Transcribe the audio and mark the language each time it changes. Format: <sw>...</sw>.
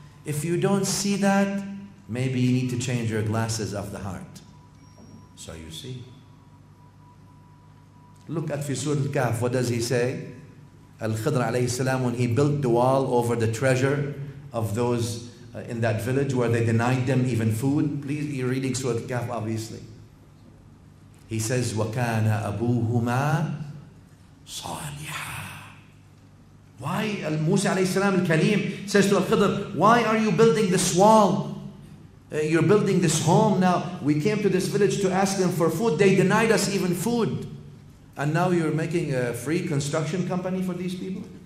<en>If you don't see that, maybe you need to change your glasses of the heart. So you see. Look at Fisur al-Kahf, what does he say? Al-Khidr alayhi salam, when he built the wall over the treasure of those in that village where they denied them even food. Please, you're reading Surah Al-Kahf, obviously.</en> <ar>He says, وَكَانَ أَبُوهُمَا صَالِحًا.</ar> <en>Why, Musa alayhi salam al-Kalim says to Al-Khidr, why are you building this wall? You're building this home now. We came to this village to ask them for food. They denied us even food. And now you're making a free construction company for these people?</en>